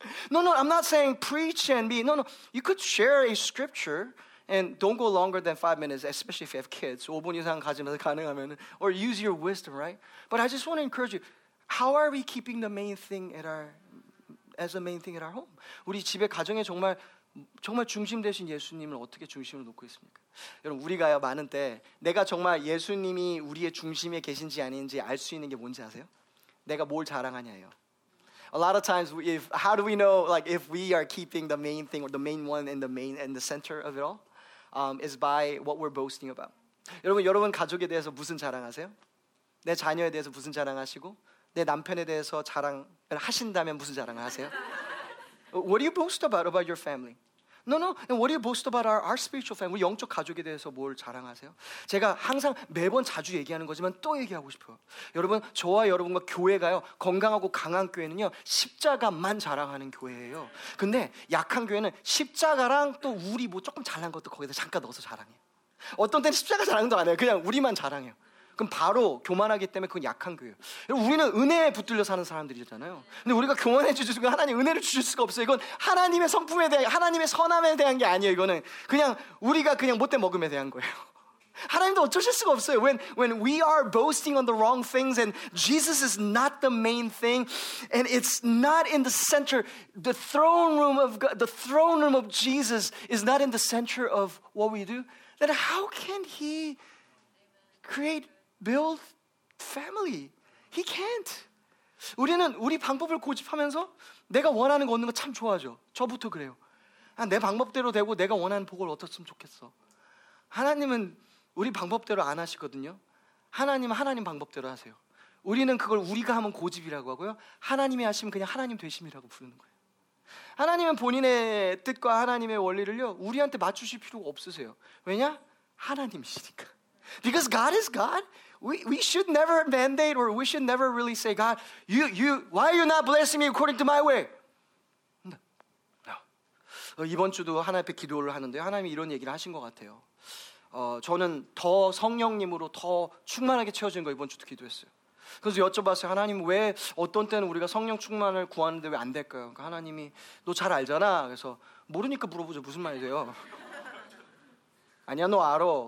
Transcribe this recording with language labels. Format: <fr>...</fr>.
<en>No, I'm not saying preach and be. No, you could share a scripture and don't go longer than 5 minutes, especially if you have kids.</en> <ko>5분 이상 가지면서 가능하면,</ko> <en>or use your wisdom, right? But I just want to encourage you. How are we keeping the main thing at our as the main thing at our home?</en> <ko>우리 집에 가정에 정말 중심 되신 예수님을 어떻게 중심을 놓고 있습니까? 여러분 우리가요 많은 때 내가 정말 예수님이 우리의 중심에 계신지 아닌지 알 수 있는 게 뭔지 아세요? 내가 뭘 자랑하냐예요.</ko> <en>A lot of times, how do we know, like, if we are keeping the main thing or the main one in the main and the center of it all, is by what we're boasting about.</en> <ko>여러분 가족에 대해서 무슨 자랑하세요? 내 자녀에 대해서 무슨 자랑하시고 내 남편에 대해서 자랑을 하신다면 무슨 자랑을 하세요?</ko> <en>What do you boast about your family? No, no. And what do you boast about our spiritual family?</en> <ko>우리 영적 가족에 대해서 뭘 자랑하세요? 제가 항상 매번 자주 얘기하는 거지만 또 얘기하고 싶어요. 여러분, 저와 여러분과 교회가요, 건강하고 강한 교회는요, 십자가만 자랑하는 교회예요. 근데 약한 교회는 십자가랑 또 우리 뭐 조금 잘난 것도 거기다 잠깐 넣어서 자랑해요. 어떤 때는 십자가 자랑도 안 해요. 그냥 우리만 자랑해요. 그럼 바로 교만하기 때문에 그건 약한 교회예요. 여러분, 우리는 은혜에 붙들려 사는 사람들이잖아요. 근데 우리가 교만해 주실 수가 하나님 은혜를 주실 수가 없어요. 이건 하나님의 성품에 대한, 하나님의 선함에 대한 게 아니에요. 이거는 그냥 우리가 그냥 못돼 먹음에 대한 거예요. 하나님도 어쩌실 수가 없어요.</ko> <en>When we are boasting on the wrong things and Jesus is not the main thing and it's not in the center, the throne room of God, the throne room of Jesus is not in the center of what we do, then how can he create build family? He can't.</en> <ko>우리는 우리 방법을 고집하면서 내가 원하는 거 얻는 거 참 좋아하죠. 저부터 그래요. 아, 내 방법대로 되고 내가 원하는 복을 얻었으면 좋겠어. 하나님은 우리 방법대로 안 하시거든요. 하나님은 하나님 방법대로 하세요. 우리는 그걸 우리가 하면 고집이라고 하고요. 하나님이 하시면 그냥 하나님 되심이라고 부르는 거예요. 하나님은 본인의 뜻과 하나님의 원리를요 우리한테 맞추실 필요가 없으세요. 왜냐? 하나님이시니까.</ko> <en>Because God is God, we should never mandate or we should never really say, God, you why are you not blessing me according to my way? No.</en> <ko>이번 주도 하나님 앞에 기도를 하는데요. 하나님이 이런 얘기를 하신 것 같아요. 저는 더 성령님으로 더 충만하게 채워지는 거 이번 주도 기도했어요. 그래서 여쭤봤어요. 하나님 왜 어떤 때는 우리가 성령 충만을 구하는데 왜 안 될까요? 그러니까 하나님이 너 잘 알잖아. 그래서 모르니까 물어보죠. 무슨 말이세요? 아니야 너 알아.</ko>